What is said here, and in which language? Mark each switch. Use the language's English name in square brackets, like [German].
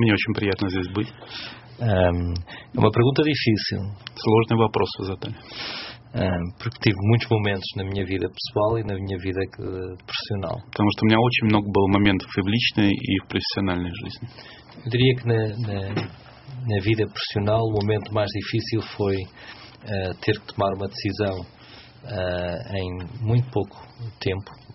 [Russian] Мне очень приятно здесь быть. [Portuguese] Uma pergunta difícil. [Russian] Сложный вопрос вы задали. [Portuguese] Porque tive muitos momentos na minha vida pessoal e na minha vida profissional. [Russian] Потому что у меня очень много было моментов и в личной, и в профессиональной жизни. [Portuguese] Eu diria que na vida profissional o momento mais difícil foi ter que tomar uma decisão em muito pouco tempo.